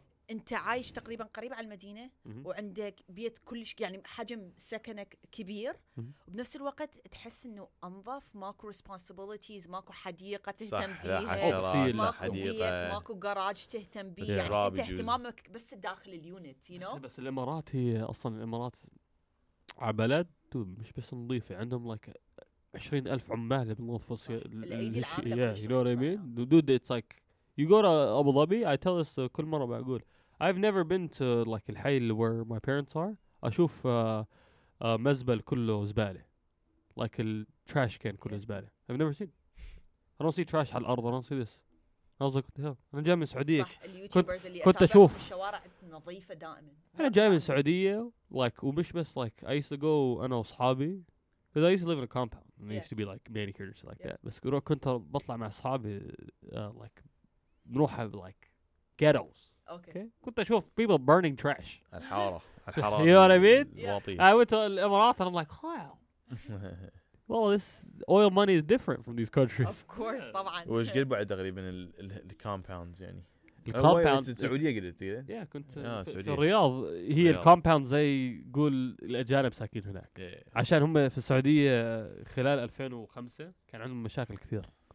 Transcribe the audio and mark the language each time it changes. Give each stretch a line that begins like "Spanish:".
Arabic: أنت عايش تقريبا قريب على المدينة وعندك بيت كلش يعني حجم سكنك كبير وبنفس الوقت تحس إنه أنظف ماكو responsibilities ماكو حديقة تهتم بيها ماكو جراج تهتم بيها يعني أنت اهتمامك بس داخل اليونت you know بس الإمارات هي أصلا الإمارات عبلد مش بس نظيفة عندهم like 20,000 عمال بنظف
English: You go to Abu Dhabi, I tell this
Arabic: كل مرة بقول.
English: I've never been to like الحي where my parents are.
Arabic: أشوف مزبل كله زبالة.
English: Like the trash can
Arabic: كله زبالة.
English: I've never seen. I don't see trash
Arabic: على الأرض.
English: I don't see this. I was like, what the hell?
Arabic: أنا جاي من السعودية. كنت أشوف. الشوارع نظيفة دائما. أنا جاي من السعودية. Like, ومش بس like,
English: I used to go
Arabic: أنا وصحابي.
English: Because I used to live in a compound. And I used to be like manicured or like that.
Arabic: بس كنت بطلع مع أصحابي like نروح like ghettos.
English: Okay. كنت أشوف people burning trash.
Arabic: الحارة.
English: You know what I mean? Yeah. I went to الإمارات and I'm like, wow. Well, this oil money is different from these countries. Of course, طبعا.
Arabic: وش قد بعد تقريبا ال compounds يعني.
English: The compounds.
Arabic: السعودية قدت يعني. Yeah, كنت في الرياض هي ال compounds زي قول الأجانب ساكنين هناك. عشان هم في السعودية خلال 2005 كان عندهم مشاكل كثير.